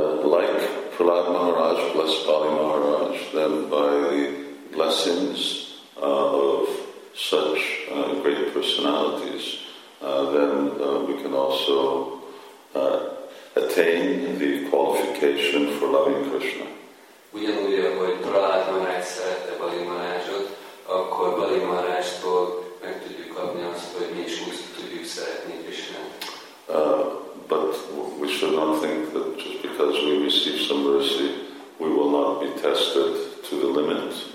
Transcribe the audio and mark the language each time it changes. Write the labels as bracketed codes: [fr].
[en] Bali Maharaj, then by the blessings of such great personalities, then we can also attain the qualification for loving Krishna. [hu] Ugyanúgy, ahogy Prahlád Maharaj szerette Bali Maharajot, akkor Bali Maharajtól meg tudjuk kapni azt, hogy mi is úgy tudjuk szeretni Krisnát. [en] But we should not think that just because we receive some mercy, we will not be tested to the limit.